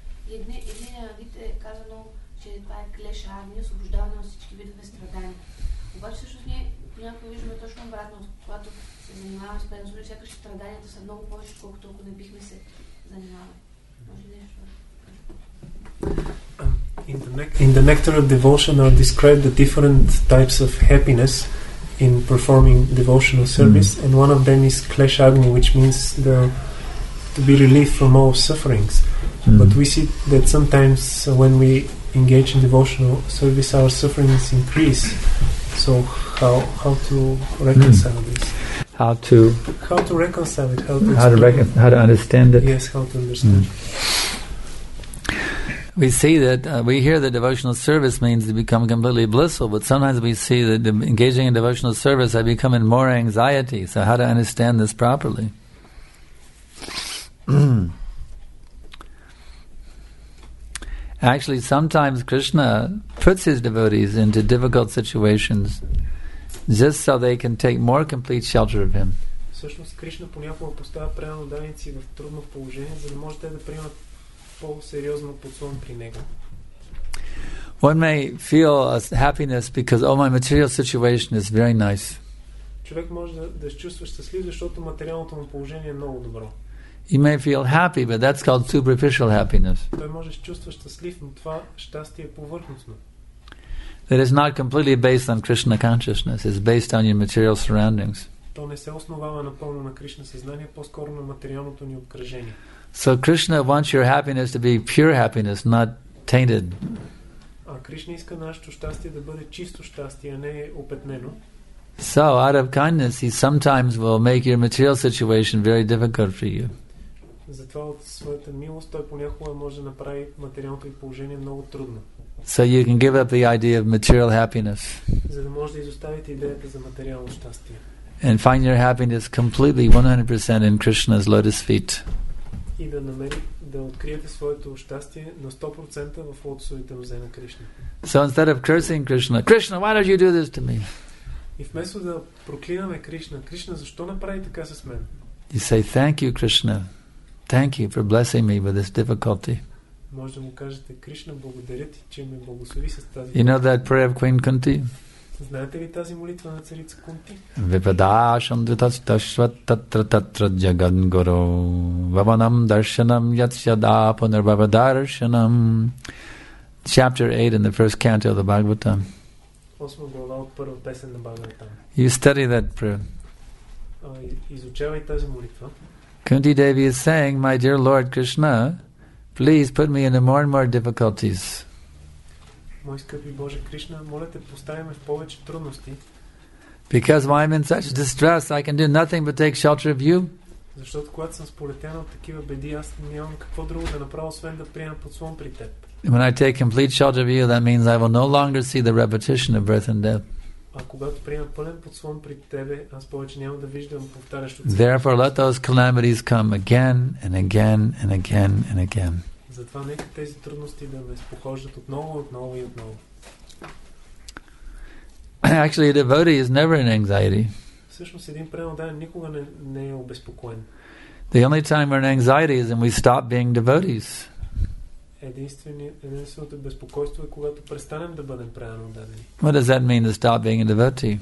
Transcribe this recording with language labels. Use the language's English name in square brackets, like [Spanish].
[Bulgarian] И един вид е казано, че това е клеша агни, освобождаване от всички видове страдания. Обаче всъщност ние понякога виждаме точно обратно, когато се занимаваме с предназначение, сякаш страданията са много повече, колкото ако не бихме се занимавали. Може ли нещо? [English] In the nectar of devotion are described the different types of happiness in performing devotional service, and one of them is klesha agni, which means the to be relieved from all sufferings. But we see that sometimes when we engage in devotional service, our sufferings increase. So how to reconcile this? how to reconcile it, how to understand it. Yes, how to understand. Mm. We see that we hear that devotional service means to become completely blissful, but sometimes we see that engaging in devotional service, I become in more anxiety. So how to understand this properly? Actually, sometimes Krishna puts his devotees into difficult situations just so they can take more complete shelter of him. [Bulgarian] Всъщност Кришна понякога поставя преданици в трудно положение, за да може те да приемат по-сериозно подслон при него. [English] One may feel a happiness because my material situation is very nice. [Bulgarian] Човек може да се чувства щастлив, защото материалното му положение е много добро. [English] He may feel happy, but that's called superficial happiness. [Bulgarian] Той може да се чувства щастлив, но това щастие е повърхностно. [English] That is not completely based on Krishna consciousness. It's based on your material surroundings. [Bulgarian] То не се основава напълно на Кришна съзнание, по-скоро на материалното ни обкръжение. [English] So Krishna wants your happiness to be pure happiness, not tainted. [Bulgarian] А Кришна иска нашето щастие да бъде чисто щастие, а не опетнено. [English] So out of kindness, he sometimes will make your material situation very difficult for you. [Bulgarian] Затова от своята милост той понякога може да направи материалното ви положение много трудно. [English] So you can give up the idea of material happiness. [Bulgarian] За да може да изоставите идеята за материално щастие. [English] And find your happiness completely 100% in Krishna's lotus feet. [Bulgarian] И да намерите, да откриете своето щастие на 100% в лотосовите нозе на Кришна. [English] So instead of cursing Krishna, Krishna, why don't you do this to me? [Bulgarian] И вместо да проклинаме Кришна, Кришна, защо направи така с мен? [English] You say, thank you, Krishna. Thank you for blessing me with this difficulty. [Bulgarian] Може да му кажете, Кришна, благодаря ти, че ме благослови с тази. [English] You know that prayer of Queen Kunti? [Bulgarian] Знаете ли тази молитва на царица Кунти? [Sanskrit] Випадашам дитасташватататратра джагангуру ваванам даршанам ятсяда пунарбавадаршанам. [English] Chapter 8 in the first canto of the Bhagavatam. [Bulgarian] 8 глава от първа песен на Бхагаватам. [English] You study that prayer. [Bulgarian] Изучавай тази молитва. [English] Kunti Devi is saying, my dear Lord Krishna, please put me into more and more difficulties. [Bulgarian] Мой скъпи Боже Кришна, моля те, поставя ме в повече трудности. [English] Because when I'm in such distress, I can do nothing but take shelter of you. [Bulgarian] Защото когато съм сполетен от такива беди, аз нямам какво друго да направя, освен да приема подслон при теб. [English] When I take complete shelter of you, that means I will no longer see the repetition of birth and death. [Bulgarian] А когато приема пълен подслон при тебе, аз повече няма да виждам повтарящо. [English] Therefore, let those calamities come again and again and again and again. [Bulgarian] Затова нека тези трудности да ме спохождат отново, отново и отново. [English] Actually, a devotee is never in anxiety. [Bulgarian] Всъщност един преданник никога не е обезпокоен. [English] The only time we're in anxiety is when we stop being devotees. [Bulgarian] Единственото безпокойство е когато престанем да бъдем преданни. [English] What does that mean to stop being a devotee?